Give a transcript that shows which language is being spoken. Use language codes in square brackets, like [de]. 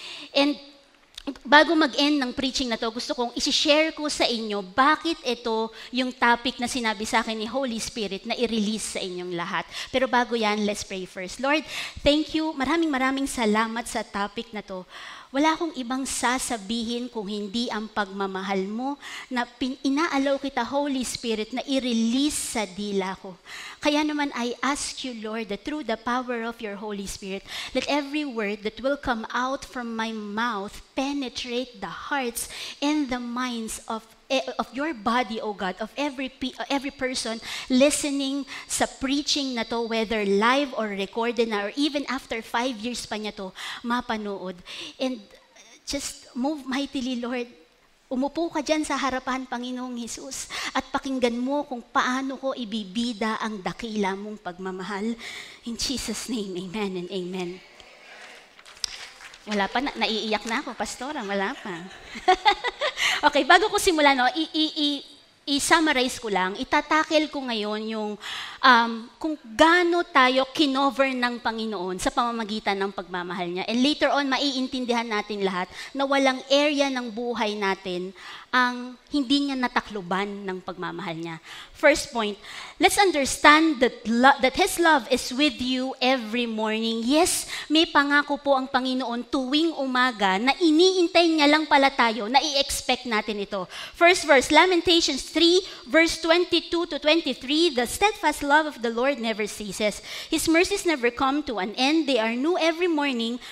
[tl] And bago mag-end ng preaching na to, gusto kong isi-share ko sa inyo bakit ito yung topic na sinabi sa akin ni Holy Spirit na i-release sa inyong lahat. Pero bago yan, [en] let's pray first. Lord, thank you. [tl] Maraming salamat sa topic na to. Wala akong ibang sasabihin kung hindi ang pagmamahal mo na inaalaw kita, Holy Spirit, na i-release sa dila ko. [en] Kaya naman, I ask you, Lord, that through the power of your Holy Spirit, let every word that will come out from my mouth penetrate the hearts and the minds of your body, O God, of every person listening [tl] sa preaching na to, [en] whether live or recorded na, or even after 5 years [tl] pa niya to, mapanood. [en] And just move mightily, Lord. [tl] Umupo ka dyan sa harapan, Panginoong Jesus, at pakinggan mo kung paano ko ibibida ang dakila mong pagmamahal. [en] In Jesus' name, amen and amen. [tl] Wala pa, naiiyak na ako, Pastora, wala pa. Okay, bago ko simula, no, i-summarize ko lang, itatakil ko ngayon yung kung gaano tayo kinover ng Panginoon sa pamamagitan ng pagmamahal niya. [en] And later on, [tl] maiintindihan natin lahat na walang area ng buhay natin ang hindi niya natakluban ng pagmamahal niya. [en] First point, let's understand that His love is with you every morning. [tl] Yes, may pangako po ang Panginoon tuwing umaga na iniintay niya lang pala tayo, na i-expect natin ito. [en] First verse, Lamentations 3, verse 22-23, the steadfast love of the Lord never ceases. His mercies never come to an end. They are new every morning.